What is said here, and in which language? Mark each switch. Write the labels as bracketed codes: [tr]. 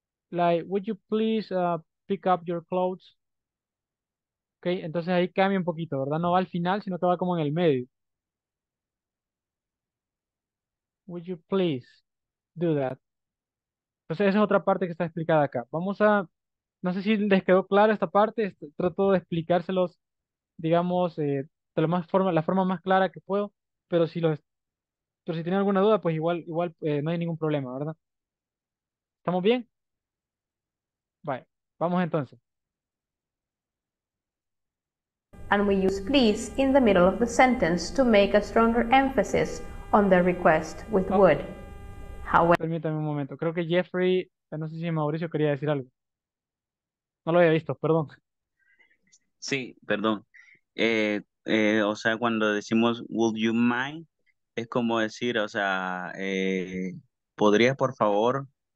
[en] Like, would you please pick up your clothes? [es] Okay, entonces ahí cambia un poquito, ¿verdad? No va al final, sino que va como en el medio. [en] Would you please do that? [es] Entonces esa es otra parte que está explicada acá. Vamos a, no sé si les quedó clara esta parte, trato de explicárselos, digamos, de la más forma, la forma más clara que puedo, pero si los, pero si tienen alguna duda, pues igual no hay ningún problema, ¿verdad? ¿Estamos bien? Vale, vamos entonces. [en] And we use please in the middle of the sentence to make a stronger emphasis on the request with okay. Would. However, [es] permítame un momento. Creo que Jeffrey, no sé si Mauricio quería decir algo. No lo había visto, perdón. Sí, perdón. O sea, cuando decimos [en] would you mind, [es] es como decir, o sea, ¿podrías por favor?